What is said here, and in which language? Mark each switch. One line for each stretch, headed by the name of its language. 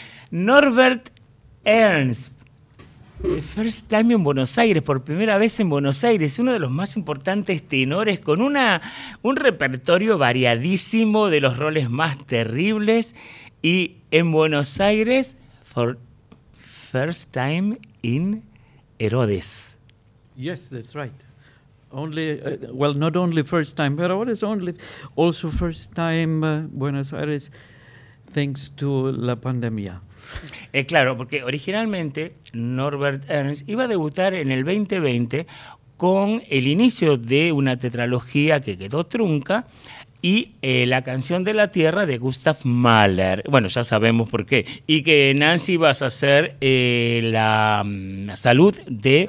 Spanish: Norbert Ernst,
English: The First Time
Spanish: en Buenos Aires, por primera vez en Buenos Aires, uno de los más importantes tenores, con un repertorio variadísimo de los roles más terribles, y en Buenos Aires,
English: For First Time in Herodes. Yes, that's right. Only well, not only first time, but what is only also first time Buenos Aires, thanks to
Spanish: la pandemia. Claro, porque originalmente Norbert Ernst iba a debutar en el 2020 con el inicio de una tetralogía que quedó trunca y la canción de la tierra de Gustav Mahler. Bueno, ya sabemos por qué. Y que Nancy vas a ser la salud de